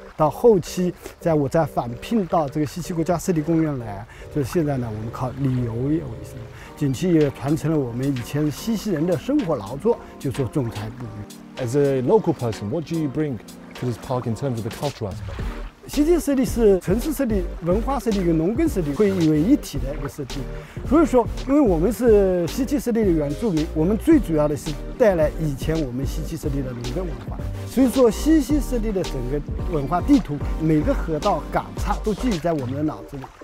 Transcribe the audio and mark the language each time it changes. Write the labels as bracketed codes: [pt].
[zh] 到后期，在我再返聘到这个西溪国家湿地公园来，就是现在呢，我们靠旅游业为生，景区也传承了我们以前西溪人的生活劳作，就做仲裁捕鱼。 [en] As a local person, what do you bring to this park in terms of the cultural aspect? [zh] 西溪湿地是城市湿地、文化湿地跟农耕湿地会为一体的一个湿地，所以说，因为我们是西溪湿地的原住民，我们最主要的是带来以前我们西溪湿地的农耕文化，所以说西溪湿地的整个文化地图，每个河道、港岔都记忆在我们的脑子里。